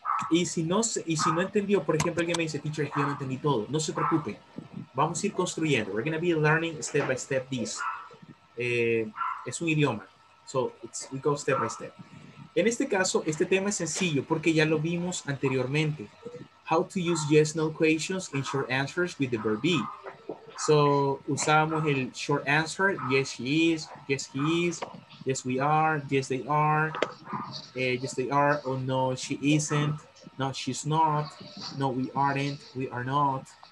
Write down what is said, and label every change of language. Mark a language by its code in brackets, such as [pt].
[es] Y si no entendió, por ejemplo, alguien me dice, teacher, yo no entendí todo. No se preocupe. Vamos a ir construyendo. [en] We're going to be learning step by step this. [es] Es un idioma. [en] So, we go step by step. [es] En este caso, este tema es sencillo porque ya lo vimos anteriormente. [en] How to use yes, no questions in short answers with the verb be. So, [es] usábamos el [en] short answer. Yes, she is. Yes, he is. Yes, we are. Yes, they are. Yes, they are. Oh, no, she isn't. No, she's not. No, we aren't. We are not.